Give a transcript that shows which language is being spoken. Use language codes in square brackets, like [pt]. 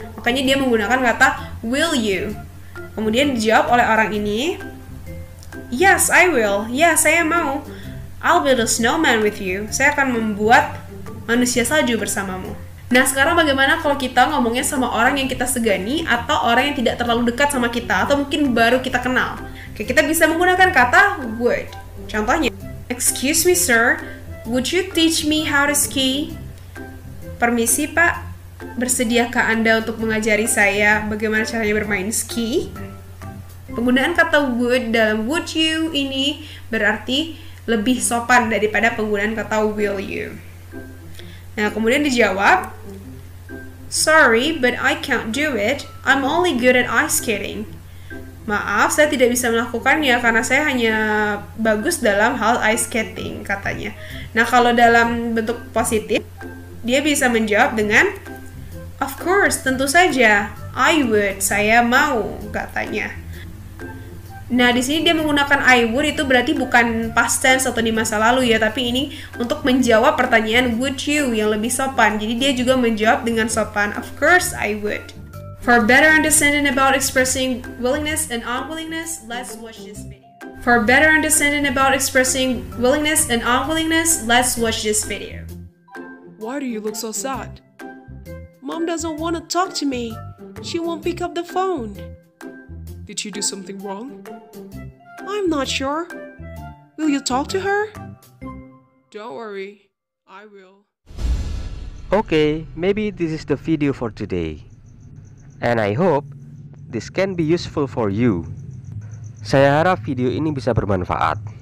[id] Makanya dia menggunakan kata will you. Kemudian dijawab oleh orang ini, [en] yes, I will. [id] Ya, saya mau. [en] I'll build a snowman with you. [id] Saya akan membuat manusia salju bersamamu. Nah, sekarang bagaimana kalau kita ngomongnya sama orang yang kita segani atau orang yang tidak terlalu dekat sama kita atau mungkin baru kita kenal? Oke, kita bisa menggunakan kata would. Contohnya, [en] excuse me sir, would you teach me how to ski? [id] Permisi pak, bersediakah Anda untuk mengajari saya bagaimana caranya bermain ski? Penggunaan kata would dalam would you ini berarti lebih sopan daripada penggunaan kata will you. [en] Nah, [id] kemudian dijawab, [en] sorry, but I can't do it. I'm only good at ice skating. [id] Maaf, saya tidak bisa melakukannya karena saya hanya bagus dalam hal ice skating, katanya. Nah, kalau dalam bentuk positif, dia bisa menjawab dengan, [en] of course, [id] tentu saja, [en] I would, [id] saya mau, katanya. Nah, di sini dia menggunakan I would, itu berarti bukan past tense atau di masa lalu ya, tapi ini untuk menjawab pertanyaan would you yang lebih sopan. Jadi dia juga menjawab dengan sopan, [en] of course I would. For better understanding about expressing willingness and unwillingness, let's watch this video. For better understanding about expressing willingness and unwillingness, let's watch this video. Why do you look so sad? Mom doesn't want to talk to me. She won't pick up the phone. Did she do something wrong? I'm not sure. Will you talk to her? Don't worry, I will. Okay, maybe this is the video for today. And I hope this can be useful for you. [id] Saya harap video ini bisa bermanfaat.